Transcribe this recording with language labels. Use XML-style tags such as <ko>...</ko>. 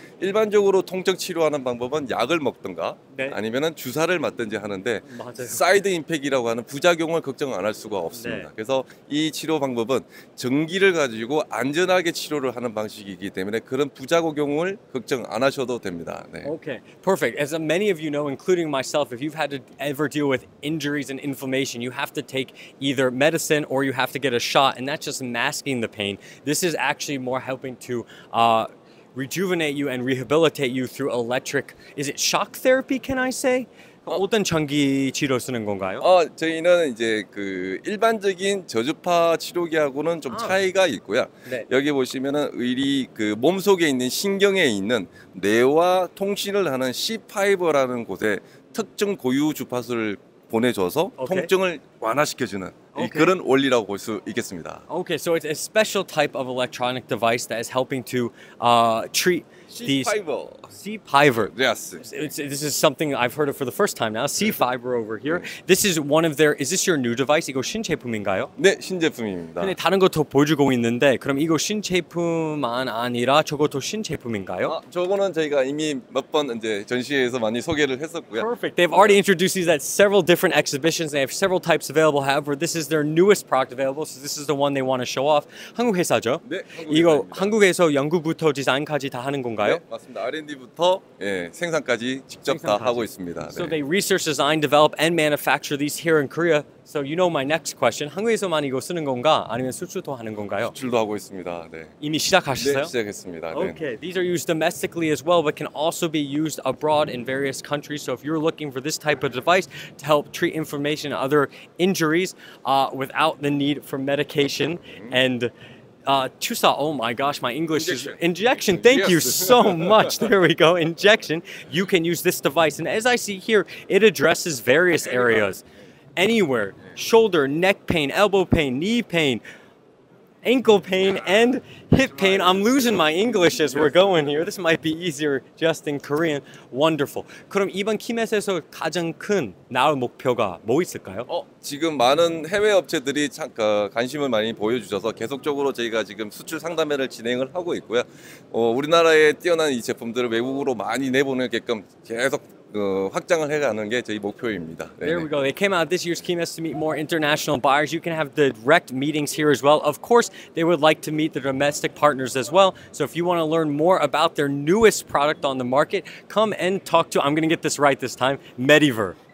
<ko>일반적으로 통증 치료하는 방법은 약을 먹든가 네. 아니면은 주사를 맞든지 하는데 맞아요. 사이드 임팩이라고 하는 부작용을 걱정 안 할 수가 없습니다. 네. 그래서 이 치료 방법은 전기를 가지고 안전하게 치료를 하는 방식이기 때문에 그런 부작용을 걱정 안 하셔도 됩니다.</ko> <en>네. Okay, perfect. As many of you know, including myself, if you've had to ever deal with injuries and inflammation, you have to take either medicine or you have to get a shot, and that's just masking the pain. This is actually more helping to rejuvenate you and rehabilitate you through electric. Is it shock therapy? Can I say?</en> <ko>어떤 전기 치료 쓰는 건가요? 저희는 이제 그 일반적인 저주파 치료기하고는 좀 차이가 있고요. 네. 여기 보시면은 의리 그 몸 속에 있는 신경에 있는 뇌와 통신을 하는 C5라는 곳에 특정 고유 주파수를 보내줘서</ko> <en>okay.</en> <ko>통증을 완화시켜주는 okay. 그런 원리라고 볼 수 있겠습니다.</ko> <en>Okay, so it's a special type of electronic device that is helping to treat C-fiber. C-fiber. Yes. This is something I've heard of for the first time now. C-fiber over here. This is one of their. Is this your new device?</en> <ko>이거 신제품인가요? 네, 신제품입니다. 근데 다른 것도 보여주고 있는데 그럼 이거 신제품만 아니라 저것도 신제품인가요? 저거는 저희가 이미 몇 번 이제 전시회에서 많이 소개를 했었고요.</ko> <en>Perfect. They've already introduced these at several different exhibitions. They have several types available. However, this is their newest product available. So this is the one they want to show off.</en> <ko>한국 회사죠? 네, 한국 회사입니다. 이거 한국에서 연구부터 디자인까지 다 하는 거. 네, 맞습니다. R&D부터 예, 생산까지 직접 생산 다 하고 있습니다.</ko> <en>네. So they research, design, develop, and manufacture these here in Korea. So you know my next question.</en> <ko>한국에서만 이거 쓰는 건가? 아니면 수출도 하는 건가요? 수출도 하고 있습니다. 네. 이미 시작하셨어요? 네, 시작했습니다.</ko> <en>Okay, these are used domestically as well, but can also be used abroad in various countries. So if you're looking for this type of device to help treat inflammation and other injuries without the need for medication and 주사, oh my gosh, my English injection. Is... Injection, thank yes. you so much. There we go, injection. You can use this device. And as I see here, it addresses various areas. Anywhere, shoulder, neck pain, elbow pain, knee pain, ankle pain, and hip pain. I'm losing my English as we're going here. This might be easier just in Korean. Wonderful.</en> <ko>그럼 이번 키메스에서 가장 큰 나올 목표가 뭐 있을까요? 지금 많은 해외 업체들이 관심을 많이 보여주셔서 계속적으로 저희가 지금 수출 상담회를 진행을 하고 있고요. 우리나라에 뛰어난 이 제품들을 외국으로 많이 내보내게끔 계속 확장을 해가는 게 저희 목표입니다.</ko> <en>네네. There we go. They came out this year's KMES to meet more international buyers. You can have direct meetings here as well. Of course, they would like to meet the domestic partners as well. So if you want to learn more about their newest product on the market, come and talk to, I'm going to get this right this time, Medivir.</en>